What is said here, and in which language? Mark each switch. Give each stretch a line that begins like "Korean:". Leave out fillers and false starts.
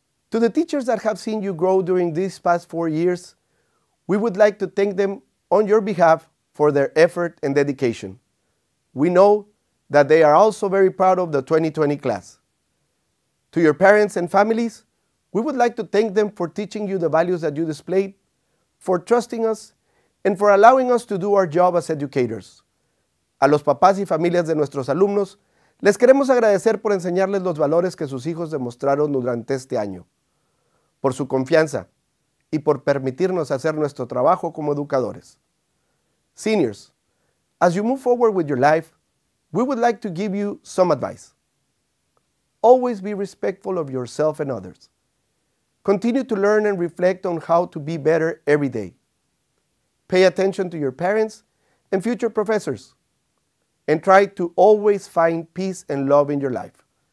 English: To the teachers that have seen you grow during these past 4 years, we would like to thank them on your behalf for their effort and dedication. We know that they are also very proud of the 2020 class. To your parents and families, we would like to thank them for teaching you the values that you displayed, for trusting us, and for allowing us to do our job as educators.
Spanish: A los papás y familias de nuestros alumnos, les queremos agradecer por enseñarles los valores que sus hijos demostraron durante este año, por su confianza y por permitirnos hacer nuestro trabajo como educadores.
English: Seniors, as you move forward with your life, we would like to give you some advice. Always be respectful of yourself and others. Continue to learn and reflect on how to be better every day. Pay attention to your parents and future professors. And try to always find peace and love in your life.